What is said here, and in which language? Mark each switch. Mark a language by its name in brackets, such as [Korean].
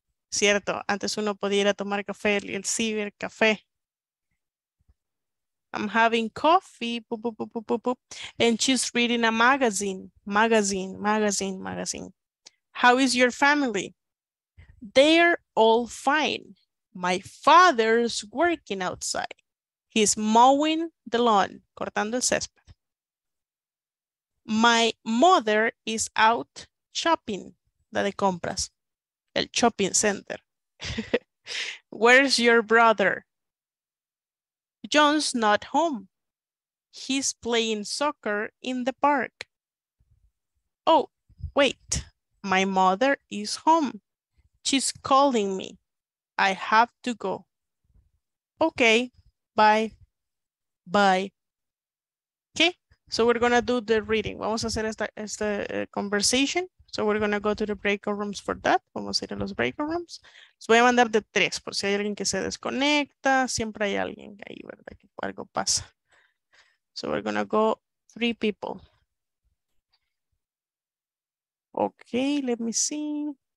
[Spanish] Cierto, antes uno podía ir a tomar café, el ciber café. [English] I'm having coffee, boop, boop, boop, boop, boop, and she's reading a magazine, magazine, magazine, magazine. How is your family? They're all fine. My father's working outside. He's mowing the lawn, [Spanish] cortando el césped. [English] My mother is out shopping, [Spanish] la de compras, [English] el shopping center. Where's your brother? John's not home. He's playing soccer in the park. Oh, wait. My mother is home. She's calling me. I have to go. Okay, bye. Bye. Okay, so we're gonna do the reading. [Spanish] Vamos a hacer esta conversation. [English] So we're gonna go to the breakout rooms for that. [Spanish] Vamos a ir a los breakout rooms. Les voy a mandar de tres, por si hay alguien que se desconecta. Siempre hay alguien ahí, ¿verdad? Que algo pasa. [English] So we're gonna go three people. Okay, let me see.